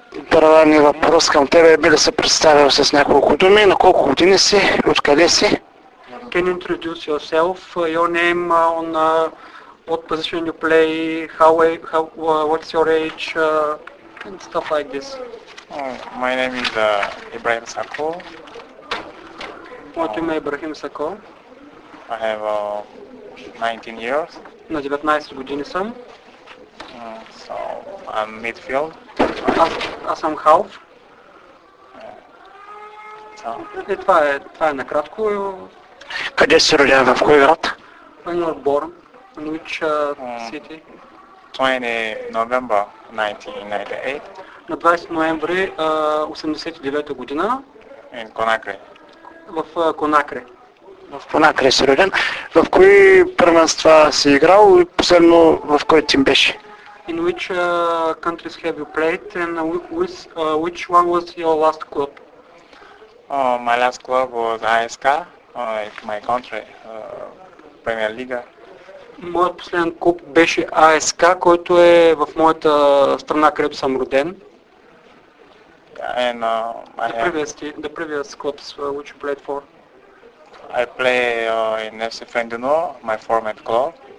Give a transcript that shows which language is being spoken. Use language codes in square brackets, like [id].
[bg] Първият ни въпрос към тебе е, би ли се представил с няколко думи, на колко години си, откъде си? [en] Can you introduce yourself, your name on what position you play, how what's your age, and stuff like this? My name is Ibrahim Sako. What do you mean, Ibrahim Sako? I have 19 years. [bg] На 19 години съм. [en] So, I'm midfield. [bg] Аз съм half. И това е накратко. Къде си роден? В кой град? [en] When you were born, in which city? 20 November 1998. [bg] На 20 ноември 1989 година. [en] In Конакри. [bg] В Конакри. В Конакри си роден. В кои първенства си играл и последно в кой тим беше? [en] In which countries have you played and which one was your last club? My last club was ASK. My country, Premier League. [bg] Моят последен клуб беше АСК, който е в моята страна, където съм роден. [en] And the previous clubs which you played for? I play in FC Fendino, my former club.